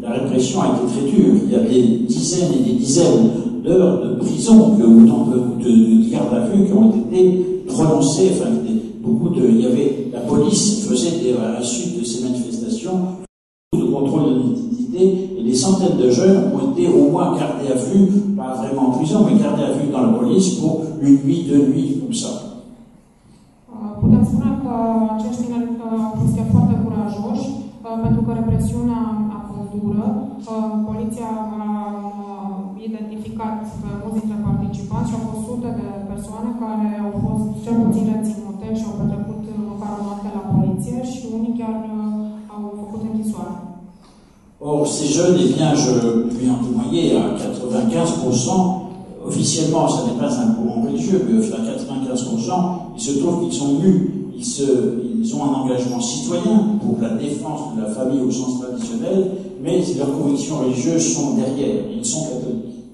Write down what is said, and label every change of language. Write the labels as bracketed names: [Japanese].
[French] La répression a été très dure. Il y a des dizaines et des dizaines d'heures de prison ou de garde à vue qui ont été prononcées. Enfin, il y avait la police faisait des, à la suite de ces manifestations beaucoup de contrôle de l'identité et des centaines de jeunes ont été au moins gardés à vue, pas vraiment en prison, mais gardés à vue dans la police pour une nuit, deux nuits, comme ça. [Romanian] Putem spune că acești tineri au fost chiar foarte curajoși, pentru că represiunea a fost dură. Poliția a identificat pe mulți dintre participanți și au fost sute de persoane care au fost cel puțin reținute și au petrecut măcar o noapte la poliție și unii chiar au făcut închisoare. [French] Or, ces jeunes, eh bien, je lui en témoignais à 95%, officiellement, ça n'est pas un courant religieux, mais enfin, 95%, il se trouve qu'ils sont mus, ils ont un engagement citoyen pour la défense de la famille au sens traditionnel, mais leurs convictions religieuses sont derrière, ils sont catholiques.